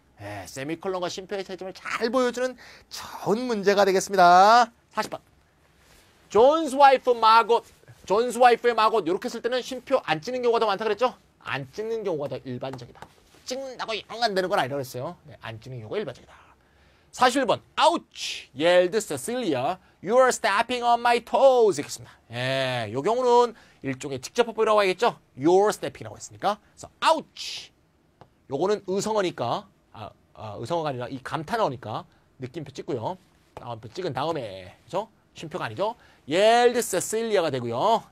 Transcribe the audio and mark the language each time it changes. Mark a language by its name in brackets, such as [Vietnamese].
[Korean] 예, 세미콜론과 쉼표의 차이점을 잘 보여주는 좋은 문제가 되겠습니다. 40번. 존스 와이프의 마곳. 요렇게 쓸 때는 쉼표 안 찍는 경우가 더 많다 그랬죠? 안 찍는 경우가 더 일반적이다. 찍는다고 영 안 되는 건 아니라고 그랬어요. 네, 안 찍는 경우가 일반적이다. [English] 41번, ouch, yelled Cecilia, you are stepping on my toes. [Korean] 이겠습니다. 예, 요 경우는 일종의 직접어법이라고 하겠죠? [English] you're stepping이라고 [Korean] 했으니까. [English] So, ouch. [Korean] 요거는 의성어니까, 의성어가 아니라 이 감탄어니까 느낌표 찍고요. 다음표 찍은 다음에, 그죠? 쉼표가 아니죠? yelled Cecilia가 되고요.